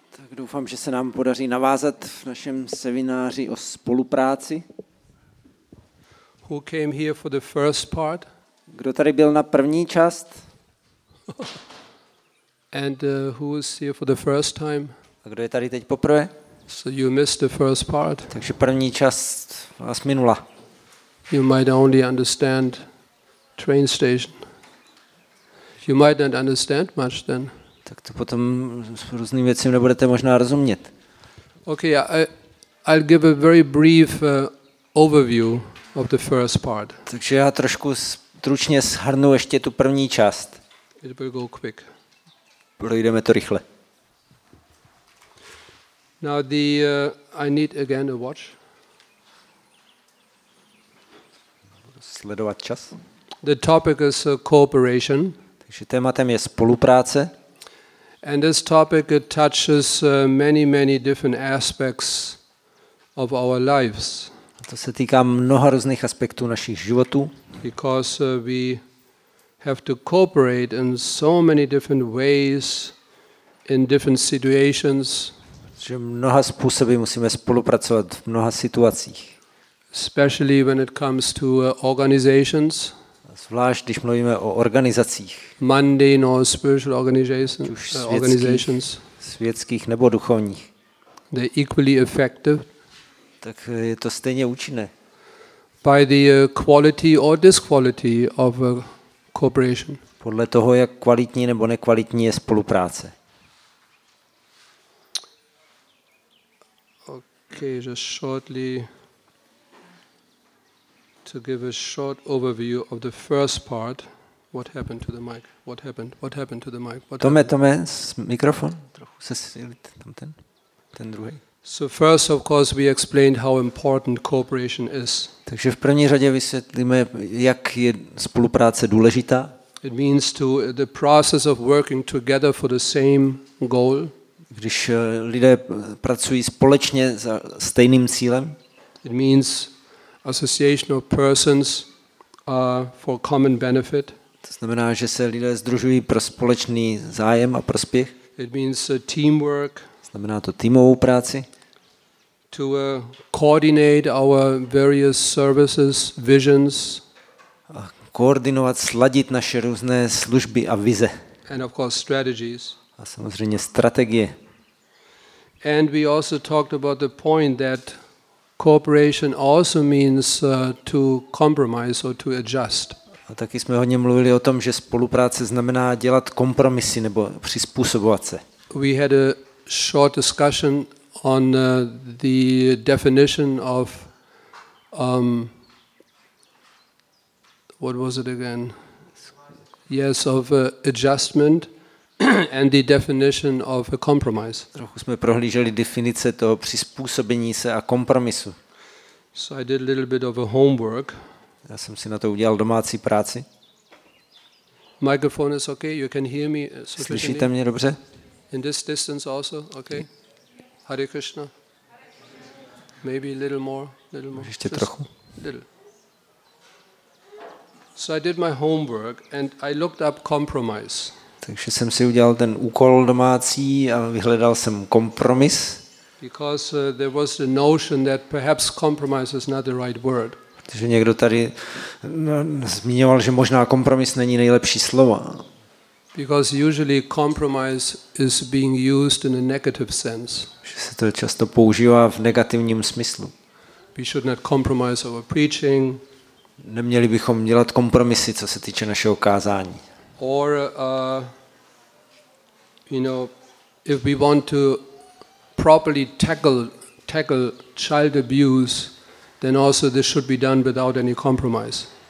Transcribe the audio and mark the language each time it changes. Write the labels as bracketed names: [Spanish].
[Czech] Tak doufám, že se nám podaří navázat v našem semináři o spolupráci. [English] Who came here for the first part? [Czech] Kdo tady byl na první část? [English] And who is here for the first time? [Czech] A kdo je tady teď poprvé? [English] So you missed the first part. [Czech] Takže první část vás minula. [English] You might only understand train station. You might not understand much then. [Czech] Tak to potom s různým věcím nebudete možná rozumět. [English] Okay, I'll give a very brief overview of the first part. [Czech] Takže já trošku stručně shrnu ještě tu první část. [English] It will go quick. [Czech] Projdeme to rychle. [English] Now the I need again a watch. [Czech] Sledovat čas. [English] The topic is cooperation. [Czech] Takže tématem je spolupráce. [English] And this topic touches many, many different aspects of our lives. [Czech] A to se týká mnoha různých aspektů našich životů. [English] Because we have to cooperate in so many different ways in different situations. [Czech] Že mnoha způsoby musíme spolupracovat v mnoha situacích. [English] Especially when it comes to organizations. [Czech] Zvlášť když mluvíme o organizacích. [English] Mundane or spiritual organizations. [Czech] Světských nebo duchovních. [English] They're equally effective. [Czech] Tak je to stejně účinné. [English] By the quality or disquality of a cooperation. [Czech] Podle toho, jak kvalitní nebo nekvalitní je spolupráce. [English] Okay, just shortly to give a short overview of the first part. What happened to the mic? What happened? What happened to the mic? [Czech] Tome, mikrofon. Trochu se silit tam ten druhý. [English] So first, of course, we explained how important cooperation is. [Czech] Takže v první řadě vysvětlíme, jak je spolupráce důležitá. [English] It means to the process of working together for the same goal. [Czech] Když lidé pracují společně za stejným cílem. [English] It means association of persons for common benefit. [Czech] To znamená, že se lidé sdružují pro společný zájem a prospěch. [English] It means teamwork. [Czech] Znamená to týmovou práci. [English] To coordinate our various services, visions. [Czech] A koordinovat, sladit naše různé služby a vize. [English] And of course strategies. [Czech] A samozřejmě strategie. [English] And we also talked about the point that cooperation also means to compromise or to adjust. [Czech] A taky jsme hodně mluvili o tom, že spolupráce znamená dělat kompromisy nebo přizpůsobovat se. [English] We had a short discussion on the definition of what was it again? Yes, of adjustment. And the definition of a compromise. [Czech] Trochu jsme prohlíželi definice toho přizpůsobení se a kompromisu. [English] So I did a little bit of a homework. [Czech] Já jsem si na to udělal domácí práci. [English] Microphone is okay, you can hear me. [Czech] Slyšíte mě dobře? [English] In this distance also, okay. Hare Krishna. Maybe a little more, [Czech] Ještě trochu. [English] Little. So I did my homework and I looked up compromise. [Czech] Takže jsem si udělal ten úkol domácí a vyhledal jsem kompromis. [English] Because there was the notion that perhaps compromise is not the right word. [Czech] Protože někdo tady zmiňoval, že možná kompromis není nejlepší slovo. [English] Because usually compromise is being used in a negative sense. [Czech] Že se to často používá v negativním smyslu. [English] We should not compromise our preaching. [Czech] Neměli bychom dělat kompromisy, co se týče našeho kázání. [English] Or you know, if we want to properly tackle child abuse, then also this should be done without any compromise.